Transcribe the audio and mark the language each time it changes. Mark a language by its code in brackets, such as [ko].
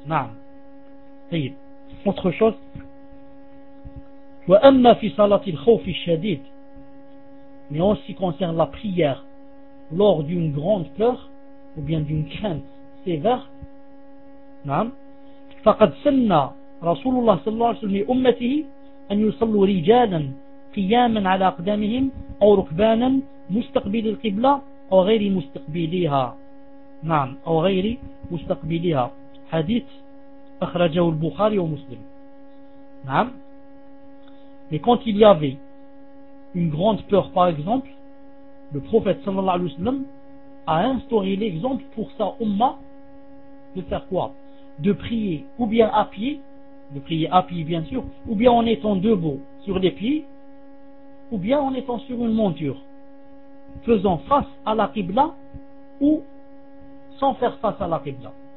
[ar] Naam, طيب, [fr] autre chose. [ar] Wa amma fi salati al-khawf ash-shadid, [fr] mais en ce qui concerne la prière lors d'une grande peur ou bien d'une crainte sévère, [ar] naam, faqad sanna رسول الله صلى الله عليه وسلم لأمته أن يصلوا رجالا قياما على أقدامهم أو ركبانا مستقبل القبلة أو غير مستقبليها. نعم, أو غير مستقبليها. حديث أخرجه البخاري ومسلم. نعم. [fr] Mais quand il y avait une grande peur, par exemple, le prophète صلى الله عليه وسلم a instauré l'exemple pour sa umma de faire quoi? De prier ou bien à pied, de prier à pied bien sûr, ou bien en étant debout sur les pieds, ou bien en étant sur une monture, faisant face à la Qibla ou sans faire face à la Qibla.